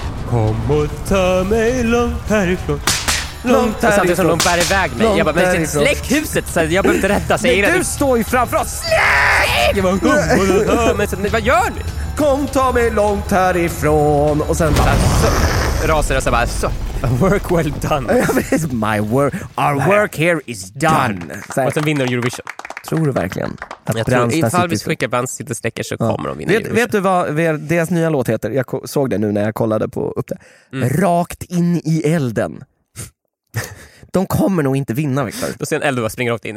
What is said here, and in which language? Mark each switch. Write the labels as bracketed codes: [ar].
[sv] kom och ta mig långt härifrån. Långt härifrån. Samtidigt som de bär iväg mig. Jag bara, men släck huset. Så jag behöver inte rätta sig. Men du står ju framför oss. Släck! Jag bara, kom och ta mig. Men vad gör ni? Kom, ta mig långt härifrån. Och sen bara rasar jag så bara, så [en] work well done. My work, our work here is done. [sv] Så och sen vinner Eurovision. Tror du verkligen? Ifall vi skickar Brandsta City släcker så kommer de vinna Eurovision. Vet du vad deras nya låt heter? Jag såg det nu när jag kollade på upp det. Rakt in i elden. De kommer nog inte vinna, Victor. Då ser en eld och springer rakt in.